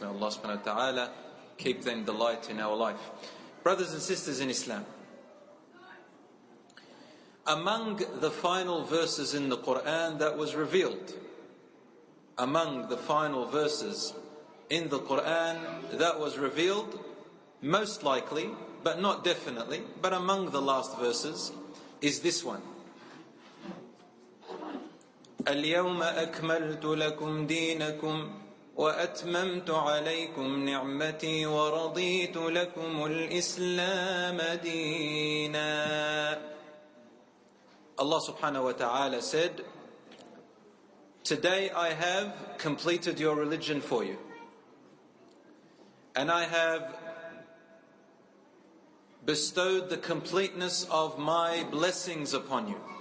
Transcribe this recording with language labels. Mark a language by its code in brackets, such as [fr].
[en] May Allah subhanahu wa ta'ala keep them the light in our life. Brothers and sisters in Islam, among the final verses in the Qur'an that was revealed, most likely, but not definitely, but among the last verses, is this one. [ar] اليوم أكملت لكم دينكم وأتممت عليكم نعمتي ورضيت لكم الإسلام دينا. [en] Allah subhanahu wa ta'ala said, today I have completed your religion for you, and I have bestowed the completeness of my blessings upon you.